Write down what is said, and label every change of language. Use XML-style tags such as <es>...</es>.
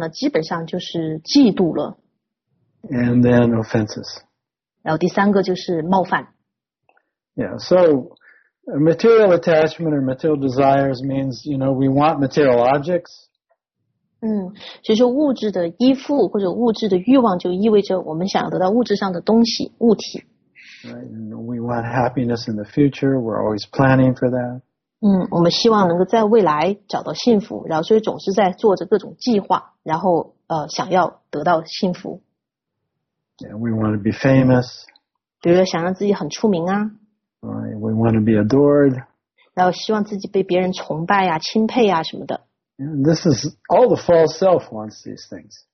<zh>而这个心灵的弱点的话呢，基本上就是嫉妒了。And</zh> <en>then offenses.</en> <zh>然后第三个就是冒犯。</zh> <en>Yeah, so material attachment or material desires means, you know, we want material objects.</en> <zh>其实物质的依附或者物质的欲望就意味着我们想要得到物质上的东西、物体。</zh> <en>Right, and we want happiness in the future. We're always planning for that.</en> <zh>我们希望能够在未来找到幸福，然后所以总是在做着各种计划，然后想要得到幸福。</zh> <en>Yeah, we want to be famous.</en> <zh>比如说想让自己很出名啊。</zh> <en>Right, we want to be adored.</en> <zh>然后希望自己被别人崇拜啊，钦佩啊什么的。</zh> <en>And this is all the false self wants these things.</en>